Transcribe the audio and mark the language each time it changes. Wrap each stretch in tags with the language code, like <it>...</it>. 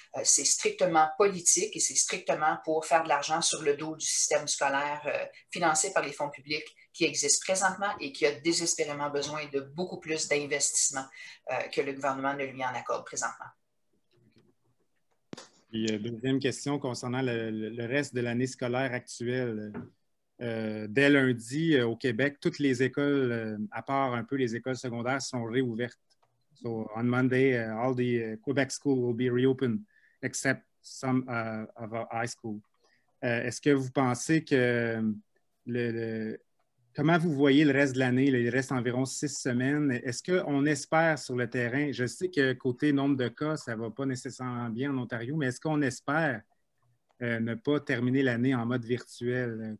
<fr>C'est strictement politique et c'est strictement pour faire de l'argent sur le dos du système scolaire financé par les fonds publics qui existe présentement et qui a désespérément besoin de beaucoup plus d'investissement que le gouvernement ne lui en accorde présentement. Et deuxième question concernant le reste de l'année scolaire actuelle. Dès lundi, au Québec, toutes les écoles, à part un peu les écoles secondaires, sont réouvertes.</fr> <en>So, on Monday, all the Quebec schools will be reopened, except some of our high schools.</en> <fr>Est-ce que vous pensez que comment vous voyez le reste de l'année? Il reste environ 6 semaines. Est-ce qu'on espère sur le terrain? Je sais que côté nombre de cas, ça ne va pas nécessairement bien en Ontario, mais est-ce qu'on espère ne pas terminer l'année en mode virtuel?</fr>